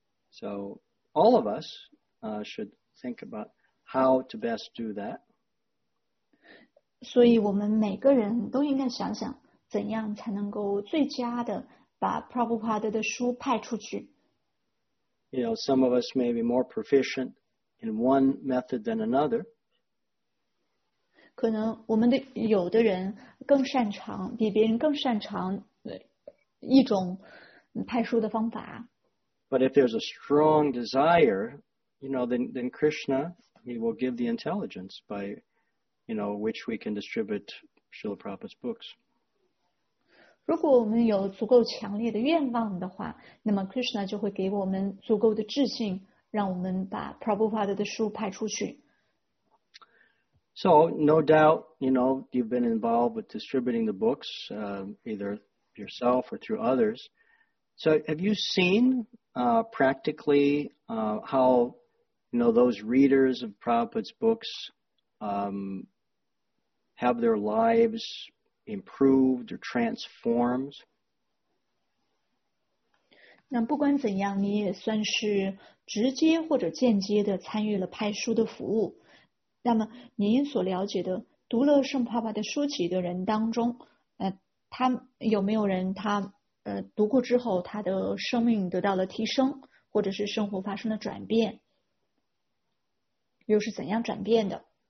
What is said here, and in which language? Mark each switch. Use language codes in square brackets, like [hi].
[en] So all of us, should think about how to best do that. [zh] 所以我们每个人都应该想想，怎样才能够最佳的把 Prabhupada 的书派出去。 [en] You know, some of us may be more proficient in one method than another. [zh] 可能我们的有的人更擅长，比别人更擅长一种派书的方法。 [en] But if there's a strong desire, you know, then Krishna, he will give the intelligence by, you know, which we can distribute Srila Prabhupada's books. [zh] 如果我们有足够强烈的愿望的话，那么 Krishna 就会给我们足够的智信，让我们把 Prabhupada 的书派出去。 [en] So, no doubt, you know, you've been involved with distributing the books, either yourself or through others. So, have you seen, practically, how, you know, those readers of Prabhupada's books, have their lives improved or transformed? [zh] 那不管怎样，你也算是直接或者间接的参与了派书的服务。那么您所了解的读了圣帕帕的书籍的人当中，他有没有人他读过之后他的生命得到了提升，或者是生活发生了转变，又是怎样转变的？